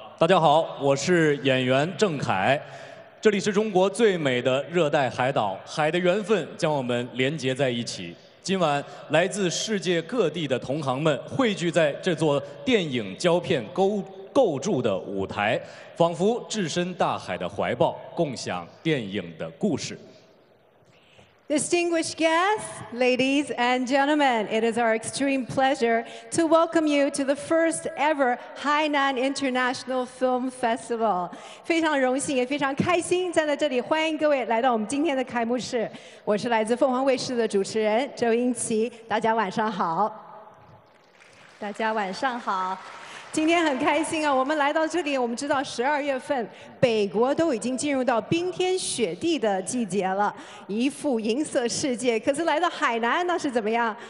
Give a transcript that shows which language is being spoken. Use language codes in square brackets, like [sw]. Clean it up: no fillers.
[zh] 大家好，我是演员郑恺，这里是中国最美的热带海岛，海的缘分将我们连结在一起。今晚来自世界各地的同行们汇聚在这座电影胶片构筑的舞台，仿佛置身大海的怀抱，共享电影的故事。 [en] Distinguished guests, ladies and gentlemen, it is our extreme pleasure to welcome you to the first ever Hainan International Film Festival. [zh] 非常荣幸也非常开心站在这里，欢迎各位来到我们今天的开幕式。我是来自凤凰卫视的主持人周英奇，大家晚上好。大家晚上好。今天很开心啊，我们来到这里，我们知道十二月份北国都已经进入到冰天雪地的季节了，一副银色世界，可是来到海南那是怎么样？